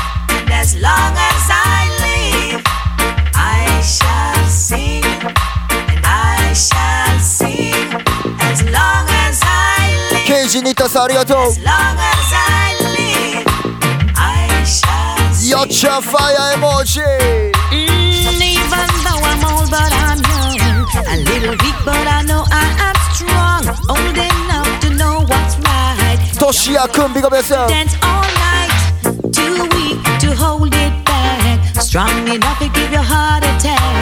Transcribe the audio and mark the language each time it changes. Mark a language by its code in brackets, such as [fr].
[en] And as long as I live, I shall sing. And I shall sing as long as I live. [ja] ケイジニタさんありがとう。 [en] As long as I live, I shall sing. [ja] よっちゃんファイアエモジー。 [en] Even though I'm old but I'm young, a little weak but I know I'm strong, old enough to know what's right. Toshiya kun, big up yourself. Dance all night, too weak to hold it back. Strong enough to give your heart attack.